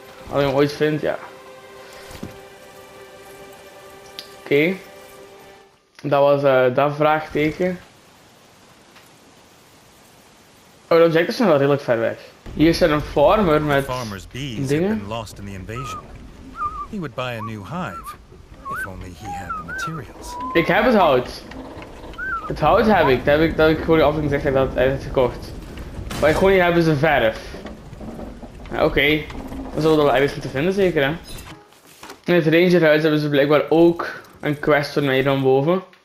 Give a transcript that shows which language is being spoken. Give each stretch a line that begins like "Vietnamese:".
Dutch: Als ik hem ooit vind, ja. Oké. Dat was dat vraagteken. Oh, de objecten zijn wel redelijk ver weg. Hier zit een farmer met dingen.
English: Lost in the invasion. He would buy a new hive, if only he had the materials.
Dutch: Ik heb het hout. Het hout heb ik. Dat heb ik gewoon af en toe gezegd dat hij het gekocht. Maar ik gewoon niet hebben ze verf. Ja, oké. Dan zullen we dat wel ergens moeten vinden zeker, hè. In het rangerhuis hebben ze blijkbaar ook een quest voor mij dan boven.